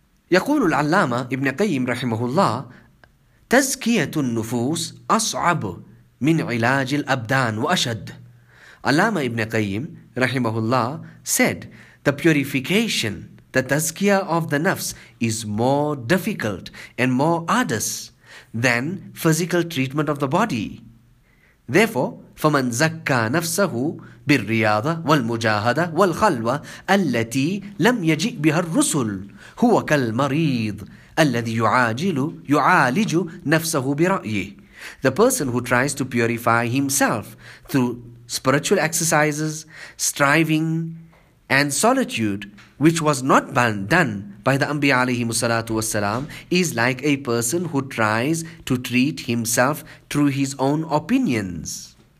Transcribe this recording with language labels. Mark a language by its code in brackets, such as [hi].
[ar] يقول العلامة ابن قيم رحمه الله تزكية النفوس أصعب من علاج الأبدان وأشد. علامة ابن قيم رحمه الله [en] said the purification, the tazkiya of the nafs, is more difficult and more arduous than physical treatment of the body. [ar] Therefore, فمن زكى نفسه بالرياضة والمجاهدة والخلوة التي لم يجئ بها الرسل هو كالمريض الذي يعالج نفسه برأيه. [en] The person who tries to purify himself through spiritual exercises, striving and solitude, which was not done by the Anbiya alayhimu salatu wassalam, is like a person who tries to treat himself through his own opinions.